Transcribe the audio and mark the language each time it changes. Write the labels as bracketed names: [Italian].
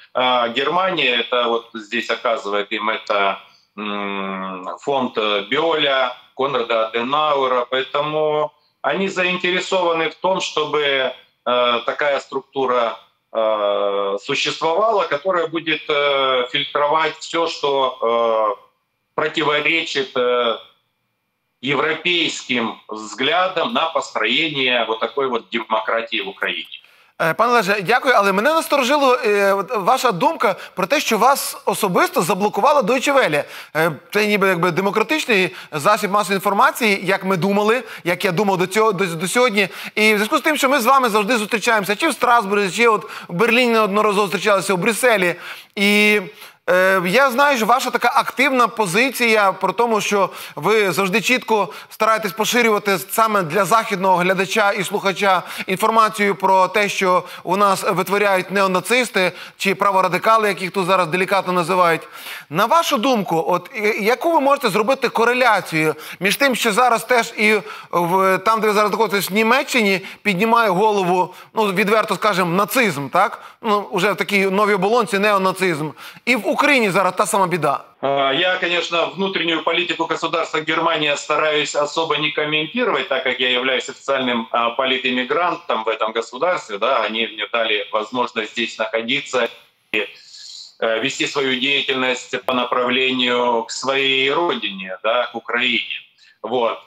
[Russian] Германия, это вот здесь оказывает им это фонд Биоля, Конрада Аденауэра, поэтому они заинтересованы в том, чтобы такая структура существовала, которая будет фильтровать все, что противоречит европейским взглядам на построение вот такой вот демократии в Украине. [Ukrainian] Пане Олеже, дякую, але мене насторожило ваша думка про те, що вас особисто заблокувала Deutsche Welle. Це ніби якби демократичний засіб масової інформації, як ми думали, як я думав до сьогодні. І в зв'язку з тим, що ми з вами завжди зустрічаємося, чи в Страсбурзі, чи от в Берліні неодноразово зустрічалися, у Брюсселі. І я знаю, що ваша така активна позиція про тому, що ви завжди чітко стараєтесь поширювати саме для західного глядача і слухача інформацію про те, що у нас витворяють неонацисти чи праворадикали, як їх тут зараз делікатно називають. На вашу думку, от яку ви можете зробити кореляцію між тим, що зараз теж і в там, де ви зараз знаходитесь, в Німеччині, піднімає голову, ну, відверто скажемо, нацизм, так? Ну, уже в такій новій оболонці неонацизм. [Russian] І в Украине зараз та сама беда. Я, конечно, внутреннюю политику государства Германия стараюсь особо не комментировать, так как я являюсь официальным политэмигрантом в этом государстве. Да, они мне дали возможность здесь находиться и вести свою деятельность по направлению к своей родине, да, к Украине. Вот.